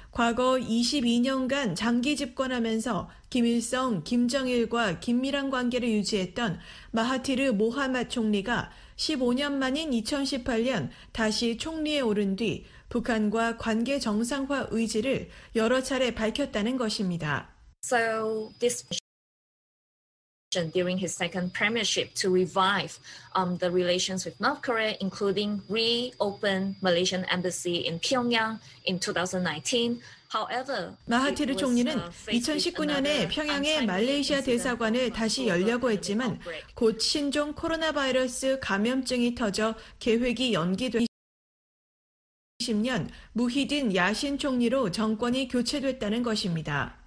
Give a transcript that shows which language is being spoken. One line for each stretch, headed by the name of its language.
Korean: 과거 22년간 장기 집권하면서 김일성, 김정일과 긴밀한 관계를 유지했던 마하티르 모하마 총리가 15년 만인 2018년 다시 총리에 오른 뒤 북한과 관계 정상화 의지를 여러 차례 밝혔다는 것입니다.
English: So this during his second premiership to revive the relations with North Korea, including reopen Malaysian embassy in Pyongyang in 2019.
Korean: 마하티르 총리는 2019년에 평양의 말레이시아 대사관을 다시 열려고 했지만 곧 신종 코로나 바이러스 감염증이 터져 계획이 연기된 2020년 무히딘 야신 총리로 정권이 교체됐다는 것입니다.